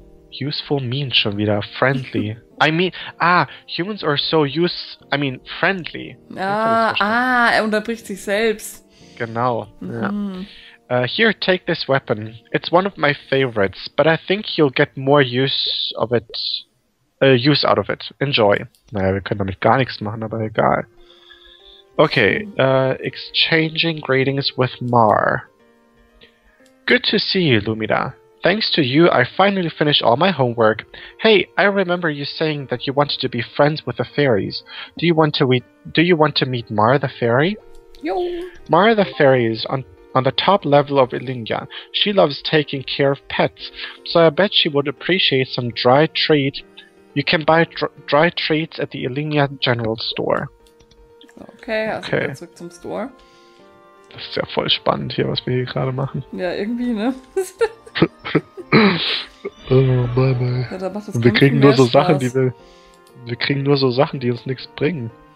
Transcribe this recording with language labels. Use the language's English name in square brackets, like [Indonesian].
[English] Useful means [German] schon wieder. [English] Friendly. Humans are so friendly. [German] Ah, er unterbricht sich selbst. Genau. Mhm. Ja. [English] Here, take this weapon. It's one of my favorites, but I think you'll get more use out of it. Enjoy. [German] Naja, wir können damit gar nichts machen, aber egal. [English] Okay, exchanging greetings with Mar. Good to see you, Lumida. Thanks to you, I finally finished all my homework. Hey, I remember you saying that you wanted to be friends with the fairies. Do you want to meet Mar the fairy? Yo. Mar the fairy is on the top level of Ilingia. She loves taking care of pets, so I bet she would appreciate some dry treat. You can buy dry treats at the Ilingia General Store. [German] Okay, also okay. Wieder zurück zum Store. Das ist ja voll spannend hier, was wir hier gerade machen. Ja, irgendwie, ne? [English] Oh, bye. [German] Ja, da macht das wir kriegen nur so Spaß. Sachen, die wir. Wir kriegen nur so Sachen, die uns nichts bringen.